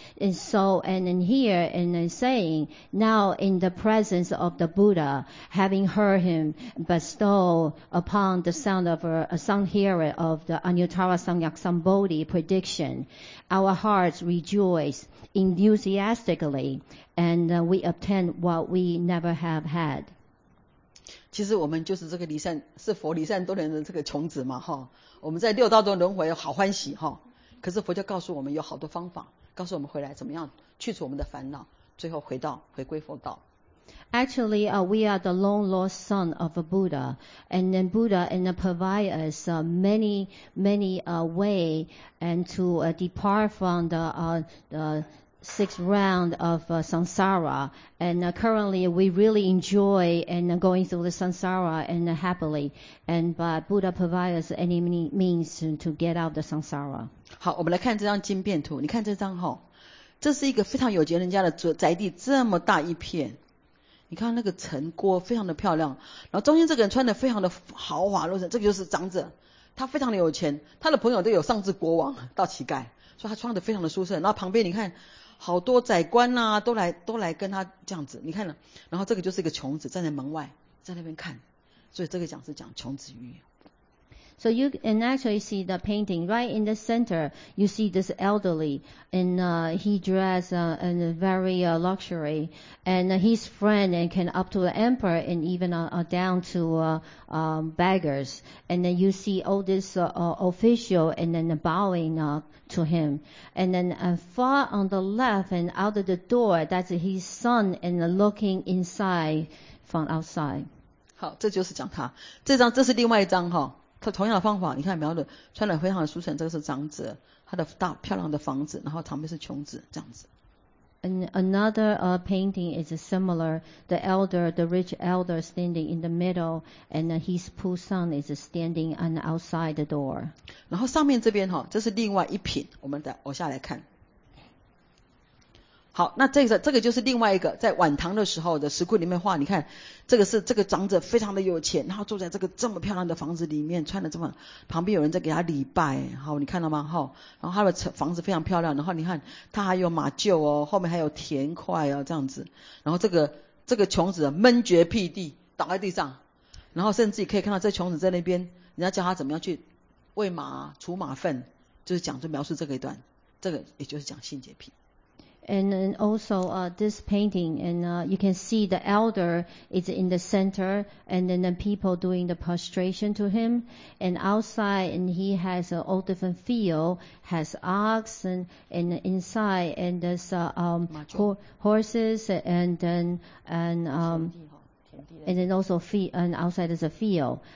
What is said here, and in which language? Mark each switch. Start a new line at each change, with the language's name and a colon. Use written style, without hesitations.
English: And so, and then here, and then saying, now in the presence of the Buddha, having heard him bestow upon the sound of a sound hearer of the Anuttara Samyaksambodhi prediction, our hearts rejoice enthusiastically and we obtain what we never have had.
Chinese: 其实我们就是这个离散，是佛离散多年的这个穷子嘛，哈。我们在六道中轮回，好欢喜哈。可是佛就告诉我们有好多方法，告诉我们回来怎么样去除我们的烦恼，最后回归佛道。
English: Actually, we are the long lost son of a Buddha, and then Buddha and provide us many way and to depart from the sixth round of samsara, and currently we really enjoy and going through the samsara and happily, and but Buddha provides any means to get out the samsara.
Chinese: 好，我们来看这张经变图。你看这张哈，这是一个非常有钱人家的宅地，这么大一片。你看那个城郭非常的漂亮，然后中间这个人穿的非常的豪华，路程这个就是长者，他非常的有钱，他的朋友都有上至国王到乞丐。所以他穿得非常的舒适，然后旁边你看好多宰官啊都来跟他这样子，你看了，然后这个就是一个穷子站在门外在那边看，所以这个讲是讲穷子语。
English: So you can actually see the painting right in the center. You see this elderly, and he dressed in a very luxury, and his friend and can up to the emperor and even down to beggars. And then you see all this official and then bowing to him. And then far on the left and out of the door, that's his son and looking inside from outside.
Chinese: 好，这就是讲他这张，这是另外一张哈。他同样的方法，你看描的穿得非常的舒适，这个是长者，他的大漂亮的房子，然后旁边是穷子，这样子。
English: And another painting is similar. The elder, the rich elder, standing in the middle, and his poor son is standing on outside the door.
Chinese: 然后上面这边哈，这是另外一品，我们再往下来看。好，那这个就是另外一个，在晚唐的时候的石窟里面画，你看，这个是这个长者非常的有钱，然后住在这个这么漂亮的房子里面，穿的这么，旁边有人在给他礼拜，好，你看到吗？哈，然后他的房子非常漂亮，然后你看他还有马厩哦，后面还有田块啊，这样子，然后这个穷子闷绝屁地倒在地上，然后甚至可以看到这穷子在那边，人家教他怎么样去喂马、除马粪，就是讲就描述这个一段，这个也就是讲性洁癖。
English: And then also this painting, and you can see the elder is in the center, and then the people doing the prostration to him, and outside, and he has all different field, has ox, and inside, and there's horses, and then also feet, and outside is a field.